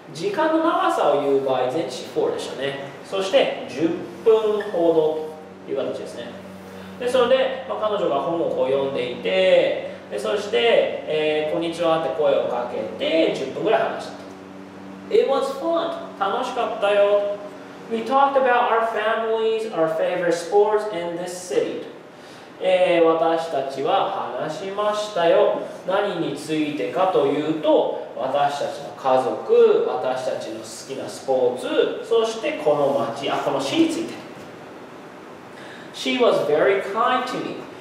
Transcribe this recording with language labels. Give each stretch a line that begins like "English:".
Japanese: 時間の長さを言う場合、前置詞 for でしたね。そして10分ほどという形ですね。ですので、まあ、彼女が本を読んでいて、でそして、こんにちはって声をかけて10分ぐらい話した。
English: It was fun.
Japanese: 楽しかったよ。
English: We talked about our families, our favorite sports, and this city.
Japanese: 私たちは話しましたよ。何についてかというと、私たちの家族、私たちの好きなスポーツ、そしてこの街、あ、この市について。
English: She was very kind to me.